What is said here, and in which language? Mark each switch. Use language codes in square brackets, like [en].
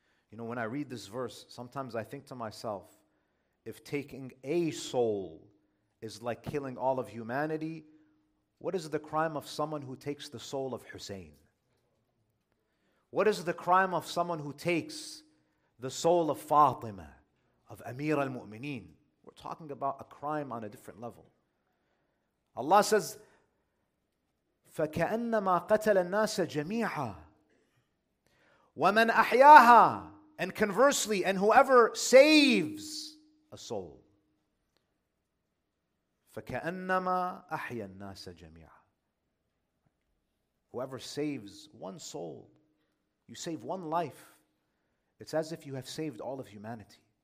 [en] You know, when I read this verse, sometimes I think to myself, if taking a soul is like killing all of humanity, what is the crime of someone who takes the soul of Hussein? What is the crime of someone who takes the soul of Fatima, of Amir al-Mu'mineen? We're talking about a crime on a different level. Allah says, [ar] فَكَأَنَّمَا قَتَلَ النَّاسَ جَمِيعًا وَمَنْ أَحْيَاهَا. [en] And conversely, and whoever saves a soul, [ar] فَكَأَنَّمَا أَحْيَا النَّاسَ جَمِيعًا. [en] Whoever saves one soul, you save one life, it's as if you have saved all of humanity.